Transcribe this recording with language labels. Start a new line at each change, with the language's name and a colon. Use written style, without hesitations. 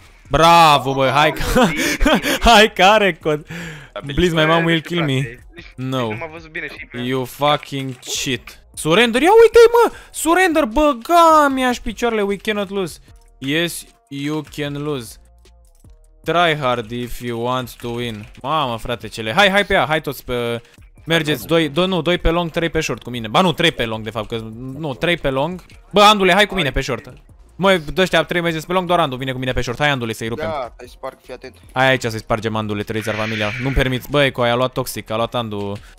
Romanian: Bravo, bă, hai că, hai că are cod.
English: Please, my mom will kill me. No. You fucking cheat. Surrender,
Romanian: ia uite-i, mă,
English: surrender,
Romanian: băga mi-aș picioarele,
English: we cannot lose. Yes, you can lose. Try hard if you want to win.
Romanian: Mamă, frate, cele, hai pe ea, hai toți pe... Mergeți, 2 pe long, 3 pe short cu mine. Ba nu, 3 pe long de fapt, că nu, 3 pe long. Bă, Andule, hai cu mine pe short. Măi, ăștia 3 mergeți pe long, doar Andu vine cu mine pe short. Hai Andule să-i rupem. Da, hai sparg, fii atent. Hai aici să-i spargem Andule, trăiți-ar familia. Nu-mi permiți, băi, cu aia a luat toxic, a luat Andu.